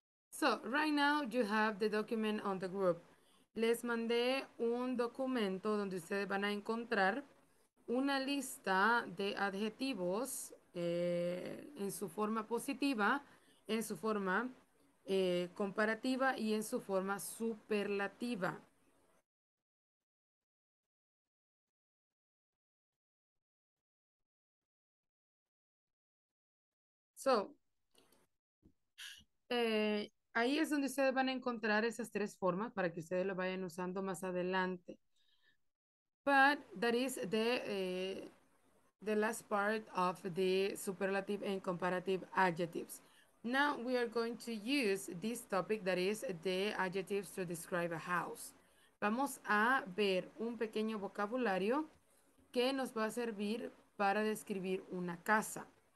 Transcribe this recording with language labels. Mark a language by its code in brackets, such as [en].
[en] So right now you have the document on the group. [es] Les mandé un documento donde ustedes van a encontrar una lista de adjetivos en su forma positiva, en su forma comparativa y en su forma superlativa. So, ahí es donde ustedes van a encontrar esas tres formas para que ustedes lo vayan usando más adelante. [en] But that is the last part of the superlative and comparative adjectives. Now we are going to use this topic, that is the adjectives to describe a house. [es] Vamos a ver un pequeño vocabulario que nos va a servir para describir una casa.